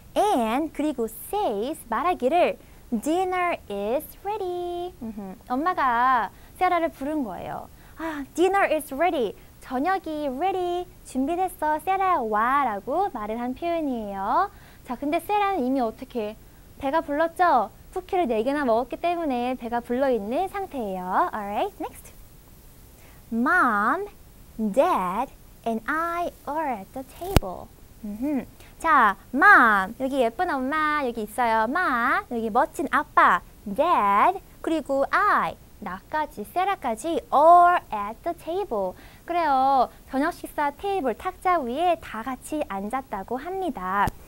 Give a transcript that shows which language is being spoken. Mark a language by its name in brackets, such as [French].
[Korean] And, 그리고 says, 말하기를, [English] dinner is ready. [Korean] 엄마가 세라를 부른 거예요. [English] dinner is ready. [Korean] 저녁이 ready, 준비됐어, 세라야 와 라고 말을 한 표현이에요. 자, 근데 세라는 이미 어떻게 배가 불렀죠? 쿠키를 4개나 먹었기 때문에 배가 불러있는 상태예요. [English] Alright, next. Mom, Dad, and I are at the table. [Korean] 자, Mom, 여기 예쁜 엄마 여기 있어요. Mom, 여기 멋진 아빠, Dad, 그리고 I, 나까지, 세라까지 [English] are at the table. [Korean] 그래요, 저녁 식사 테이블 탁자 위에 다 같이 앉았다고 합니다.